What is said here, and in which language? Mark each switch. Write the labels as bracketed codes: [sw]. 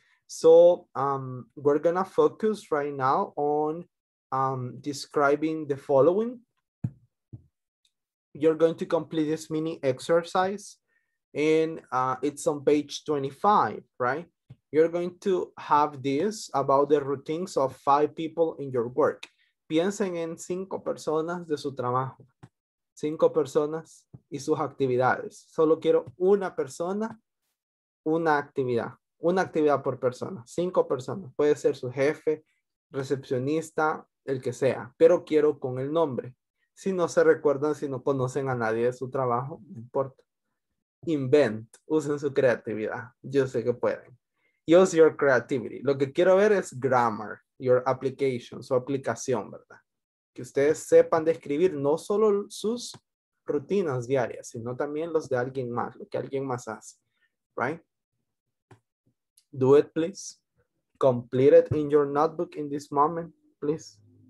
[en] So we're gonna focus right now on describing the following. You're going to complete this mini exercise and it's on page 25, right? You're going to have this about the routines of 5 people in your work. [es] Piensen en 5 personas de su trabajo. 5 personas y sus actividades. Solo quiero una persona, una actividad. una actividad por persona, 5 personas. Puede ser su jefe, recepcionista, el que sea, pero quiero con el nombre. Si no se recuerdan, si no conocen a nadie de su trabajo, no importa. Invent, usen su creatividad. Yo sé que pueden. [en] Use your creativity. [es] Lo que quiero ver es grammar, [en] your application, [es] su aplicación, ¿verdad? Que ustedes sepan describir no solo sus rutinas diarias, sino también los de alguien más, lo que alguien más hace. [en] Right? Do it, please. Complete it in your notebook in this moment, please.